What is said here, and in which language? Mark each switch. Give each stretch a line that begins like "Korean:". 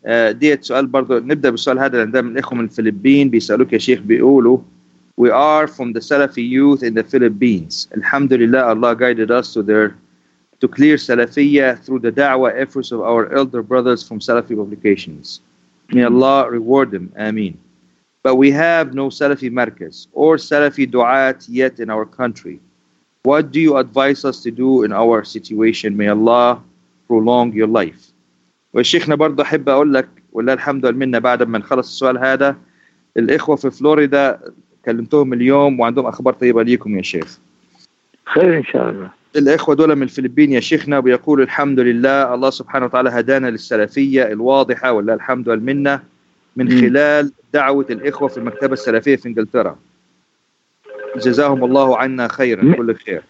Arabic: ديت سؤال برضو نبدأ بالسؤال هذا عندما من إخوة من الفلبين بيسألوك يا شيخ بيقولوا
English: We are from the Salafi youth in the Philippines
Arabic: الحمد لله
English: Allah guided us to their to clear Salafiyya through the da'wah efforts of our elder brothers from Salafi publications May Allah reward them. Ameen. But we have no Salafi Markaz or Salafi Duaat yet in our country. What do you advise us to do in our situation? May Allah prolong your life.
Arabic: وشيخنا برضو حب أقول لك والله الحمد لله منا بعد ما نخلص السؤال هذا الإخوة في فلوريدا كلمتهم اليوم وعندهم أخبار طيبة ليكم يا شيخ. خير إن شاء الله. الإخوة دول من الفلبين يا شيخنا بيقول الحمد لله الله سبحانه وتعالى هدانا للسلفية الواضحة والله الحمد والمنة من خلال دعوة الإخوة في المكتبة السلفية في إنجلترا جزاهم الله عنا خيرا كل خير